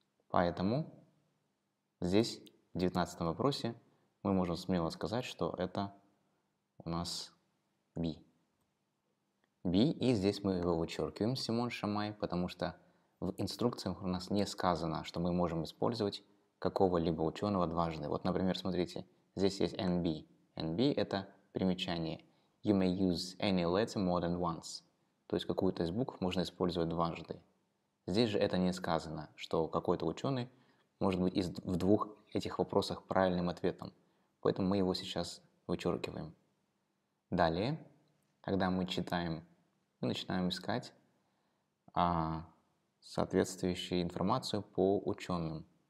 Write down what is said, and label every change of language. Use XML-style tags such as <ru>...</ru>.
<ru>Поэтому здесь, в 19 вопросе, мы можем смело сказать, что это у нас B. B, и здесь мы его вычеркиваем, Симон Шамай, потому что в инструкциях у нас не сказано, что мы можем использовать какого-либо ученого дважды. Вот, например, смотрите, здесь есть NB. NB – это примечание.</ru> <en>You may use any letter more than once.</en> <ru>То есть какую-то из букв можно использовать дважды. Здесь же это не сказано, что какой-то ученый может быть из в двух этих вопросах правильным ответом. Поэтому мы его сейчас вычеркиваем. Далее, когда мы читаем, мы начинаем искать соответствующую информацию по ученым.</ru>